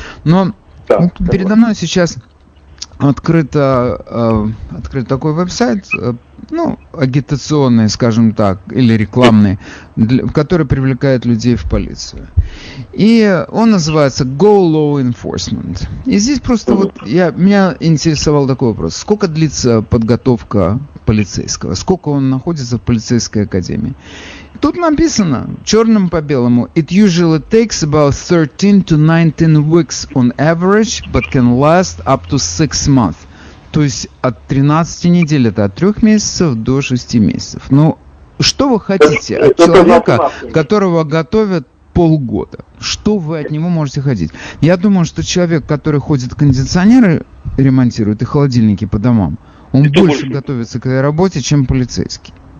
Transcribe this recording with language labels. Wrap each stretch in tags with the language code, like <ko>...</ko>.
<ru>Но да, вот передо мной сейчас открыт такой веб-сайт, ну, агитационный, скажем так, или рекламный, который привлекает людей в полицию. И он называется Go Law Enforcement. И здесь просто вот, меня интересовал такой вопрос. Сколько длится подготовка полицейского? Сколько он находится в полицейской академии? Тут написано, черным по белому,</ru> <en>it usually takes about 13 to 19 weeks on average, but can last up to 6 months.</en> <ru>То есть от 13 недель, это от 3 месяцев до 6 месяцев. Ну, что вы хотите от человека, которого готовят полгода? Что вы от него можете хотеть? Я думаю, что человек, который ходит кондиционеры, ремонтирует и холодильники по домам, он больше готовится к этой работе, чем полицейский.</ru>